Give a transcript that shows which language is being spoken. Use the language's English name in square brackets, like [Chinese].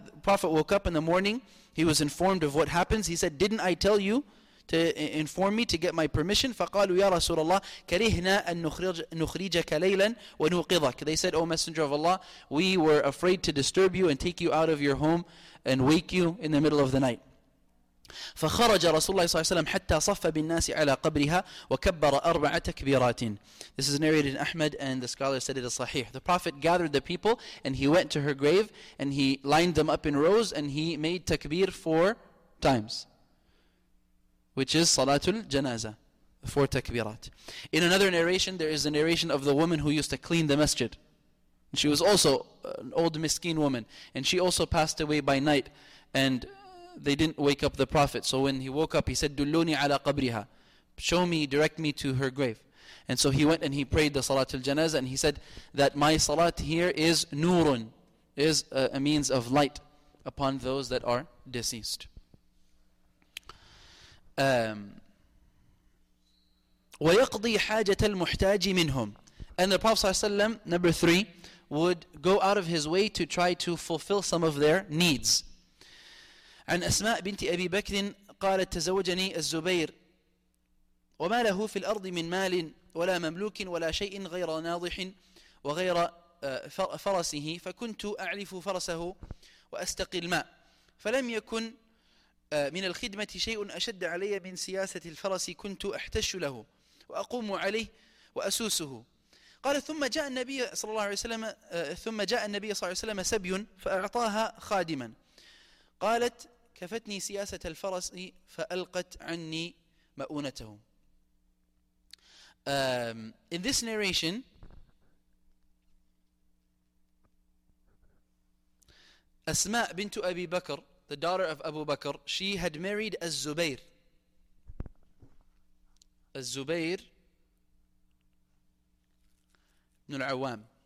[English] The Prophet woke up in the morning, he was informed of what happens. He said, didn't I tell you to inform me, to get my permission? [Arabic] فَقَالُوا يَا رَسُولَ اللَّهِ كَرِهْنَا أَن نُخْرِجَكَ لَيْلًا وَنُوقِظَكَ. [English] They said, O Messenger of Allah, we were afraid to disturb you and take you out of your home and wake you in the middle of the night. [Arabic] فخرج رسول الله صلى الله عليه وسلم حتى صف بالناس على قبرها وكبر أربع تكبيرات. [English] This is narrated in Ahmad and the scholar said it is sahih. The Prophet gathered the people and he went to her grave and he lined them up in rows and he made takbir four times, which is Salatul Janazah, the four takbirat. In another narration, there is a narration of the woman who used to clean the masjid. She was also an old miskeen woman and she also passed away by night and they didn't wake up the Prophet. So when he woke up, he said, [Arabic] "Dulluni ala qabriha," [English] show me, direct me to her grave. And so he went and he prayed the Salatul Janazah and he said that my Salat here is nurun, is a means of light upon those that are deceased. [Arabic] وَيَقْضِي حَاجَةَ الْمُحْتَاجِ مِنْهُمْ. [English] And the Prophet ﷺ, number three, would go out of his way to try to fulfill some of their needs. [Arabic] عن أسماء بنت أبي بكر قالت تزوجني الزبير وما له في الأرض من مال ولا مملوك ولا شيء غير ناضح وغير فرسه فكنت أعلف فرسه وأستقي الماء فلم يكن من الخدمة شيء أشد علي من سياسة الفرس كنت أحتش له وأقوم عليه وأسوسه. قال ثم جاء النبي صلى الله عليه وسلم سبي فأعطاها خادما قالت كفتني سياسة الفرس فألقت عني مؤونته. [English] In this narration, Asma bint Abi Bakr, the daughter of Abu Bakr, she had married Az-Zubayr. Az-Zubayr ibn al-Awwam.